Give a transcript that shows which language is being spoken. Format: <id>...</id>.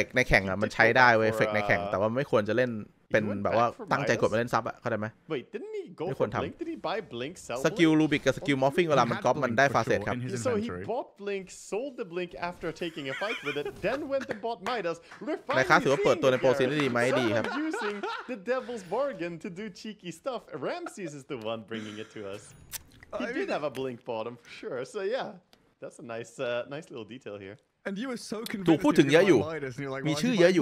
<th>กในแข่งอ่ะมันใช้ได้เว้ยเฟกในแข่งแต่ว่าไม่ควรจะเล่นเป็นแบบว่าตั้งใจกดมาเล่นซับอ่ะเข้าใจไหมไม่ ควรทำสกิลรูบิกกับสกิลมอฟฟิงเวลามันก๊อปมันได้ฟาเซตครับ</th> <en>so he bought blink sold the blink after taking a fight with it then went and bought Midas</en> <th>นะครับถือว่าเปิดตัวในโปรซีนได้ดีไหมดีครับ</th> <en>using the devil's bargain to do cheeky stuff Ramses is the one bringing it to us he did have a blink bottom for sure so yeah that's a nice little detail here And you were so convinced.</en> <th>ถูกพูดถึงเยอะอยู่มีชื่อเยอะอยู</th>